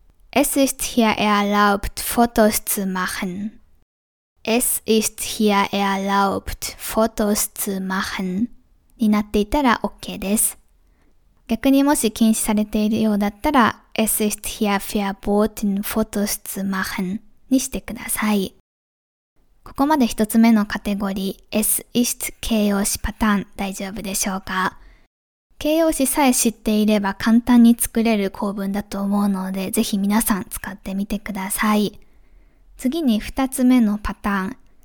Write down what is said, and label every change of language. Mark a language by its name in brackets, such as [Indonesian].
[German] Es ist hier erlaubt, Fotos zu machen. Es ist hier erlaubt, Fotos zu machen. [Japanese] になっていたら OK です。逆にもし禁止されているようだったら、 [German] Es ist hier verboten, Fotos zu machen. [Japanese] にしてください。ここまで一つ目のカテゴリー、 [German] Es ist [Japanese] 形容詞パターン、大丈夫でしょうか？形容詞さえ知っていれば簡単に作れる構文だと思うので、ぜひ皆さん使ってみてください。次に二つ目のパターン。